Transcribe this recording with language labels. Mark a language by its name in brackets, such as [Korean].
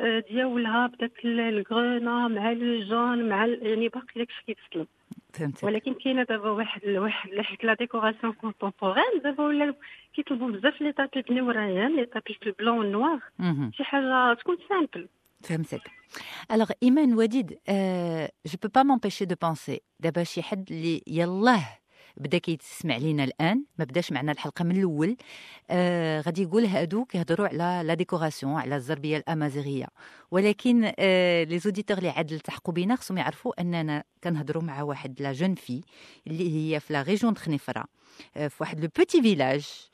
[Arabic] ديالها بداك الكرونا مع لو جون مع يعني باقي داكشي كيتسلم ولكن كاينه دابا واحد لحيت [French] لا ديكوراسيون كونطومبوران [Arabic] دابا ولا كيطلبوا بزاف لي طابي بنوريان لي طابي بلون نوار شي حاجه تكون سامبل فهمتك. [French] Alors Imane Ouadid, je peux pas m'empêcher de penser. [Arabic] دابا شي حد اللي يلاه بدا كيتسمع لينا الان ما بداش معنا الحلقه من الاول غادي يقول هادو كيهضروا على لا ديكوراسيون على الزربيه الامازيغيه ولكن [French] لي زوديتور [Arabic] اللي عاد التحقوا بينا خصهم يعرفوا اننا كنهضروا مع واحد لا جون في اللي هي في [French] لا ريجون د [Arabic] خنيفره في واحد [French] لو بيتي فيلاج